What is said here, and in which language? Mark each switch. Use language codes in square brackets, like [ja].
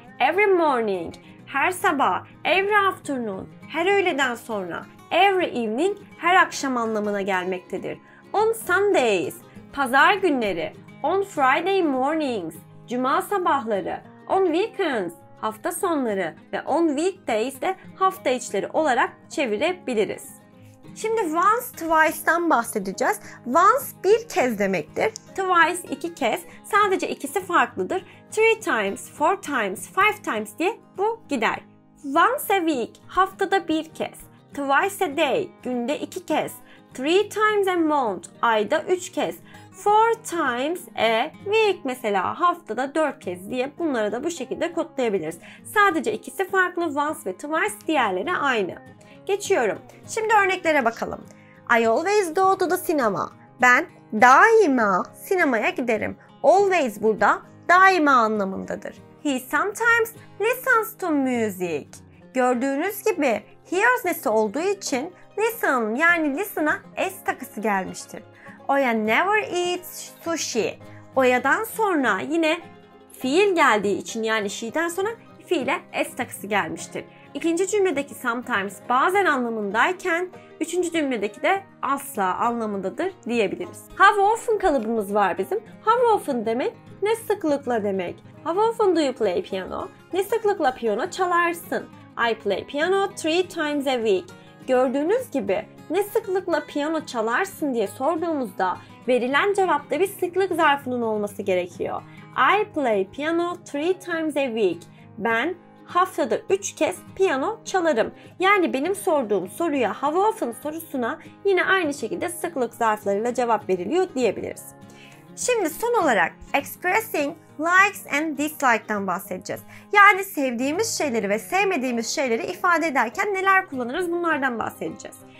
[en] Every morning [tr] her sabah. [en] Every afternoon [tr] her öğleden sonra. [en] Every evening [tr] her akşam anlamına gelmektedir. [en] On Sundays [tr] pazar günleri, [en] on Friday mornings, [tr] cuma sabahları, [en] on weekends, [tr] hafta sonları ve [en] on weekdays [tr] de hafta içleri olarak çevirebiliriz. Şimdi once, twice'dan bahsedeceğiz. Once bir kez demektir. Twice iki kez, sadece ikisi farklıdır. [en] Three times, four times, five times [tr] diye bu gider. [en] Once a week, [tr] haftada bir kez. [en] Twice a day, [tr] günde iki kez. [en] Three times a month, [tr] ayda üç kez. [en] 4 times a week [tr] mesela haftada 4 kez diye bunları da bu şekilde kodlayabiliriz. Sadece ikisi farklı, once ve twice, diğerleri aynı. Geçiyorum. Şimdi örneklere bakalım. [en] I always go to the cinema. [tr] Ben daima sinemaya giderim. Always burada daima anlamındadır. [en] He sometimes listens to music. [tr] Gördüğünüz gibi he öznesi olduğu için listen yani listen'a s takısı gelmiştir. [en] Oya never eats sushi. [tr] Oya'dan sonra yine fiil geldiği için yani she'den sonra fiile s takısı gelmiştir. İkinci cümledeki sometimes bazen anlamındayken üçüncü cümledeki de asla anlamındadır diyebiliriz. How often kalıbımız var bizim. How often demek ne sıklıkla demek. [en] How often do you play piano? [tr] Ne sıklıkla piyano çalarsın. [en] I play piano 3 times a week. [tr] Gördüğünüz gibi ne sıklıkla piyano çalarsın diye sorduğumuzda verilen cevapta bir sıklık zarfının olması gerekiyor. [en] I play piano 3 times a week. [tr] Ben haftada 3 kez piyano çalarım. Yani benim sorduğum soruya, how often sorusuna yine aynı şekilde sıklık zarflarıyla cevap veriliyor diyebiliriz. Şimdi son olarak [en] expressing likes and dislikes'ten [tr] bahsedeceğiz. Yani sevdiğimiz şeyleri ve sevmediğimiz şeyleri ifade ederken neler kullanırız bunlardan bahsedeceğiz.